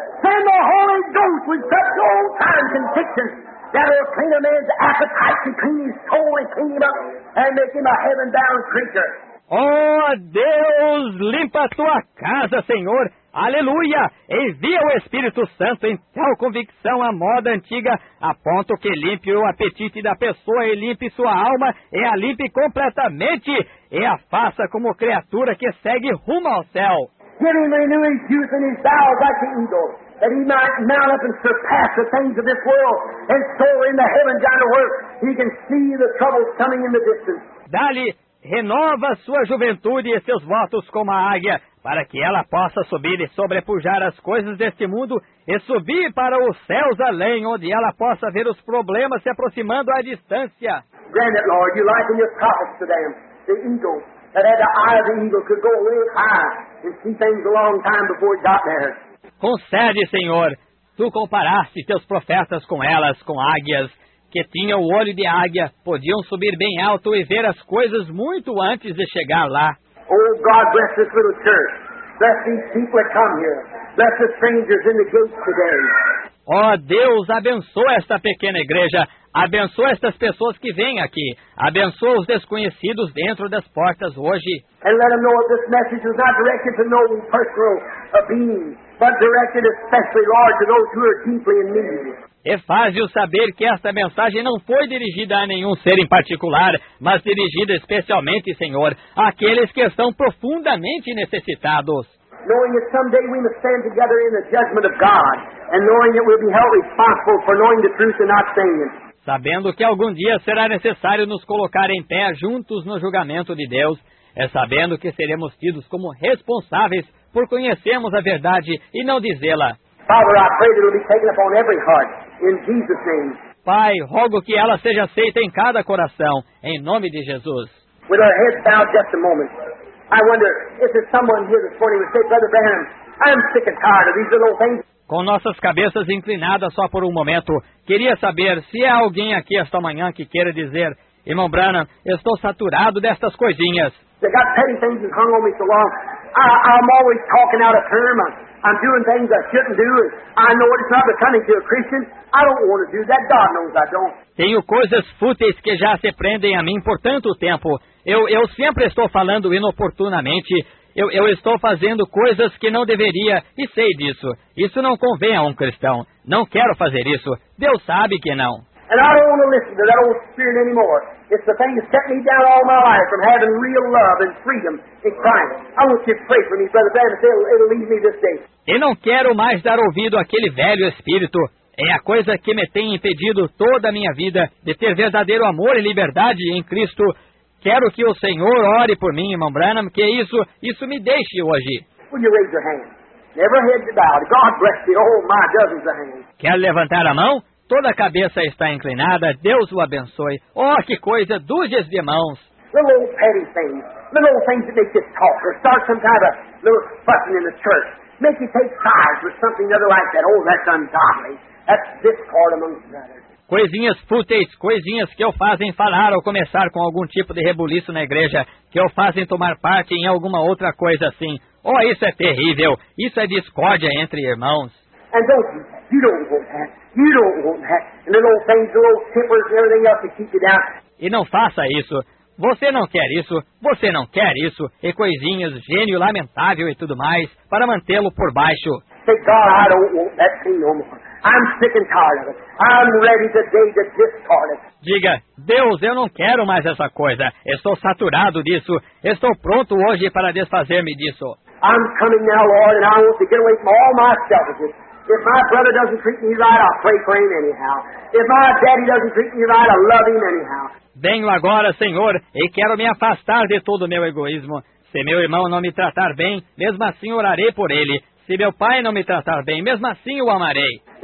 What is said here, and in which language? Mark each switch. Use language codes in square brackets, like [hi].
[en] Send the Holy Ghost with such old time convictions that will clean a man's appetite and clean his soul and clean him up and make him a heaven-bound creature. [pt] Oh, Deus, limpa a tua casa, Senhor. Aleluia! Envia o Espírito Santo em tal convicção à moda antiga, a ponto que limpe o apetite da pessoa e limpe sua alma, e a limpe completamente, e a faça como criatura que segue rumo ao céu. [en] Give him renewing youth and his vows like the eagle, that he might mount up and surpass the things of this world, and soar into heaven down to earth. He can see the troubles coming in the distance. [pt] Dá-lhe renova sua juventude e seus votos como a águia, para que ela possa subir e sobrepujar as coisas deste mundo e subir para os céus além, onde ela possa ver os problemas se aproximando à distância. [en] Grant it, Lord, you liken your prophets to them, the eagles, that had the eye of the eagle could go real high and see things a long time before it got there. [pt] Concede, Senhor, tu comparaste teus profetas com elas, com águias, que tinham o olho de águia, podiam subir bem alto e ver as coisas muito antes de chegar lá. [en] Oh, God, bless this little church. Bless these people that come here. Bless the strangers in the gates today. [pt] Oh, Deus, abençoa esta pequena igreja. Abençoa estas pessoas que vêm aqui. Abençoa os desconhecidos dentro das portas hoje. [en] And let them know that this message is not directed to no personal being, but directed especially, Lord, to those who are deeply in need. [pt] E faz-o saber que esta mensagem não foi dirigida a nenhum ser em particular, mas dirigida especialmente, Senhor, àqueles que estão profundamente necessitados. [en] Knowing that someday we must stand together in the judgment of God, and knowing that we'll be held responsible for knowing the truth and not saying it. [pt] Sabendo que algum dia será necessário nos colocar em pé juntos no julgamento de Deus, é sabendo que seremos tidos como responsáveis por conhecermos a verdade e não dizê-la. [en] Father, I pray that it will be taken upon every heart, in Jesus' name. [pt] Pai, rogo que ela seja aceita em cada coração, em nome de Jesus. [en] With our heads bowed just a moment, I wonder if there's someone here this morning who would say, Brother Branham, I'm sick and tired of these little things. [pt] Com nossas cabeças inclinadas só por um momento, queria saber se há alguém aqui esta manhã que queira dizer, Irmão Branham, estou saturado destas coisinhas. [en] They got petty things that hung on me so long. I'm always talking out of turn. I'm doing things I shouldn't do. I know it's not becoming to a Christian. I don't want to do that. God knows I don't. [pt] Tenho coisas fúteis que já se prendem a mim por tanto tempo. Eu sempre estou falando inoportunamente. Eu estou fazendo coisas que não deveria e sei disso. Isso não convém a um cristão. Não quero fazer isso. Deus sabe que não. [en] And I don't want to listen to that old spirit anymore. It's the thing that set me down all my life from having real love and freedom in Christ. I want you to pray for me, Brother Branham, that it'll leave me this day. [pt] E não quero mais dar ouvido àquele velho espírito. É a coisa que me tem impedido toda a minha vida de ter verdadeiro amor e liberdade em Cristo. Quero que o Senhor ore por mim, Irmão Branham, que isso me deixe hoje. [en] Will you raise your hand? Never head bowed. God bless you. Oh, my, dozens of hands. [pt] Quer levantar a mão? Toda a cabeça está inclinada. Deus o abençoe. Oh, que coisa! Dúzias de mãos. [en] Little old petty things. Little old things that make you talk or start some kind of little fussing in the church. Make you take sides with something other like that. Oh, that's ungodly. That's discord among brothers. [pt] Coisinhas fúteis, coisinhas que o fazem falar ou começar com algum tipo de rebuliço na igreja, que o fazem tomar parte em alguma outra coisa assim. Oh, isso é terrível. Isso é discórdia entre irmãos. [en] And don't do that. You don't want that. You don't want that. Little things, little tempers and everything else to keep you down. [pt] E não faça isso. Você não quer isso. Você não quer isso. E coisinhas, gênio lamentável e tudo mais, para mantê-lo por baixo. [en] Say, God, I don't want that thing no more. I'm sick and tired of it. I'm ready the day to discard it. [pt] Diga, Deus, eu não quero mais essa coisa. Estou saturado disso. Estou pronto hoje para desfazer-me disso. [en] I'm coming now, Lord, and I want to get away from all my selfishness. If my brother doesn't treat me right, I'll pray for him anyhow. If my daddy doesn't treat me right, I'll love him anyhow. [pt] Venho agora, Senhor, e quero me afastar de todo o meu egoísmo. Se meu irmão não me tratar bem, mesmo assim orarei por ele. Se meu pai não me tratar bem, mesmo assim o amarei.